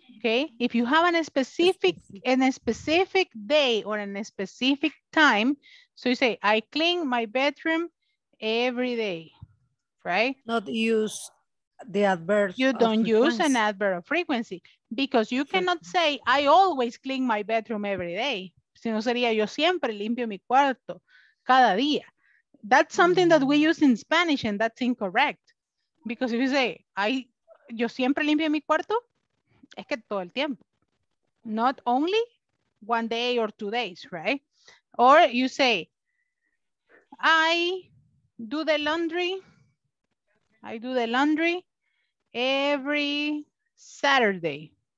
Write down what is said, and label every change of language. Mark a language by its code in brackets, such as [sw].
[en] Okay, if you have a specific day or a specific time, so you say, I clean my bedroom every day, right? Not use the adverb. You don't use an adverb of frequency, because you cannot say, I always clean my bedroom every day. [es] Si no sería, yo siempre limpio mi cuarto cada día. [en] That's something that we use in Spanish, and that's incorrect. Because if you say, [es] yo siempre limpio mi cuarto, es que todo el tiempo. [en] Not only one day or 2 days, right? Or you say, I do the laundry every Saturday.